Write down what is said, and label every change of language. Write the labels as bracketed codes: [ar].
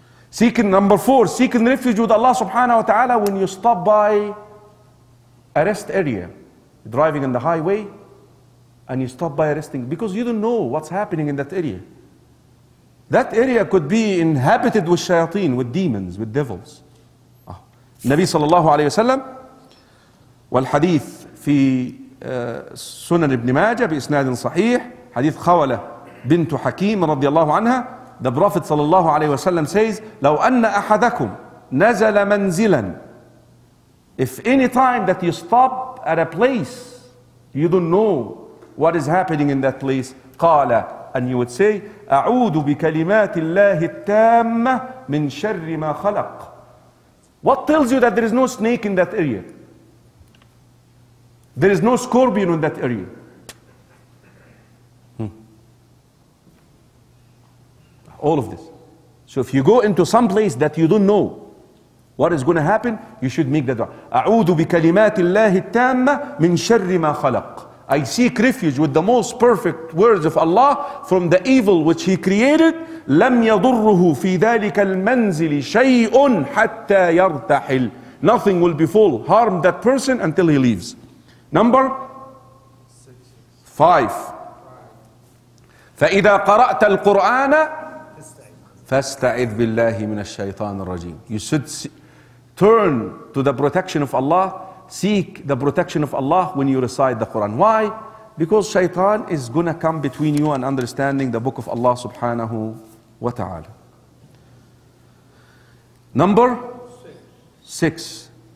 [en] Seeking, number four, seeking refuge with Allah subhanahu wa ta'ala when you stop by a rest area, driving on the highway, and you stop by resting, because you don't know what's happening in that area. That area could be inhabited with shayateen, with demons, with devils. [ar] النبي صلى الله عليه وسلم والحديث في سنن ابن ماجه بإسناد صحيح حديث خولة بنت حكيم رضي الله عنها [en] the prophet [ar] صلى الله عليه وسلم [en] says [ar] لو أن أحدكم نزل منزلا [en] if any time that you stop at a place you don't know what is happening in that place [ar] قال [en] and you would say [ar] أعوذ بكلمات الله التامة من شر ما خلق. [en] What tells you that there is no snake in that area? There is no scorpion in that area. All of this. So if you go into some place that you don't know what is going to happen, you should make the dua. [ar] أعوذ بكلمات الله التامة من شر ما خلق. [en] I seek refuge with the most perfect words of Allah from the evil which he created. [ar] لم يضره في ذلك المنزل شيء حتى يرتحل. [en] Nothing will befall, harm that person until he leaves. Number 5. [ar] فإذا قرأت القرآن فاستعذ بالله من الشيطان الرجيم. [en] You should turn to the protection of Allah. Seek the protection of Allah when you recite the Quran. Why? Because shaitan is gonna come between you and understanding the book of Allah subhanahu wa ta'ala. Number 6.